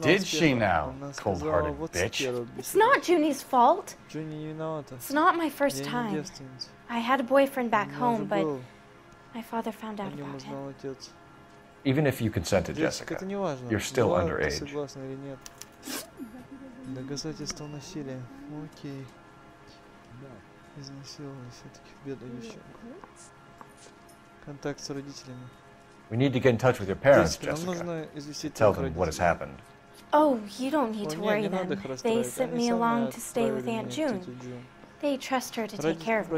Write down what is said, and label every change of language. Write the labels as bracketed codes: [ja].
[en] Did she now, cold-hearted bitch? It's not Juni's fault. It's not my first time. I had a boyfriend back home, but my father found out about him. Even if you consented, Jessica, you're still underage. [ru] Доказательство насилия. Окей. Да. Изнасиловали все-таки в беду девчонку. Контакт с родителями. [en] We need to get in touch with your parents, Jessica. Tell them what has happened. Oh, you don't need to worry them. They sent me along to stay with Aunt June. They trust her to take care of me.